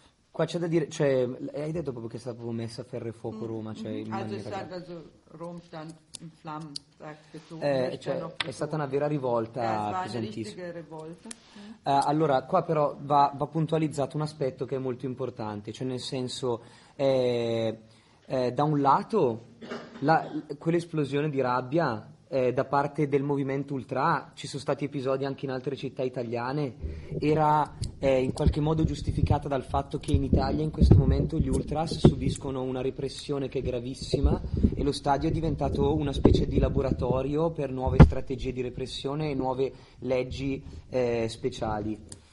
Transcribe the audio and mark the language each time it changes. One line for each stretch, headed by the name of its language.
Italian: Qua c'è da dire, cioè, hai detto proprio che è stato messo a ferro e fuoco Roma, cioè in maniera...
German: Also Rom stand in Flammen, sagte
Italian: tu. Cioè, è stata una vera rivolta pesantissima. Una rivolta. Allora, qua però va puntualizzato un aspetto che è molto importante, cioè nel senso, da un lato, quell'esplosione di rabbia da parte del movimento ultra, ci sono stati episodi anche in altre città italiane, era in qualche modo giustificata dal fatto che in Italia in questo momento gli ultras subiscono una repressione che è gravissima e lo stadio è diventato una specie di laboratorio per nuove strategie di repressione e nuove leggi speciali.